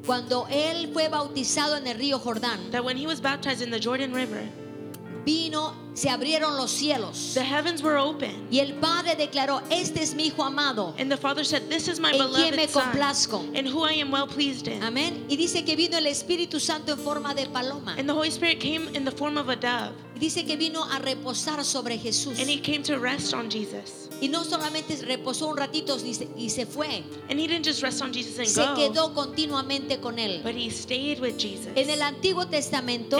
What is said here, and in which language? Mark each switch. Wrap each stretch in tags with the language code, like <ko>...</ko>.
<es>Cuando él fue bautizado en el río Jordán.</es> <en>That when he was baptized in the Jordan River.</en> <es>Vino, se abrieron los cielos.</es> <en>The heavens were open.</en> <es>Y el Padre declaró, este es mi hijo amado.</es> <en>And the Father said, this is my</en> <es>en</es> <en>beloved</en> <es>me complazco.</es> <en>Son. And who I am well pleased in.</en> <es>Amén. Y dice que vino el Espíritu Santo en forma de paloma.</es> <en>And the Holy Spirit came in the form of a dove.</en> <es>Y dice que vino a reposar sobre Jesús.</es> <en>And he came to rest on Jesus.</en> <es>Y no solamente reposó un ratito y se fue.</es> <en>And he didn't just rest on Jesus and</en> <es>se Quedó continuamente con él.</es> <en>But he stayed with Jesus.</en> <es>En el Antiguo Testamento.</es>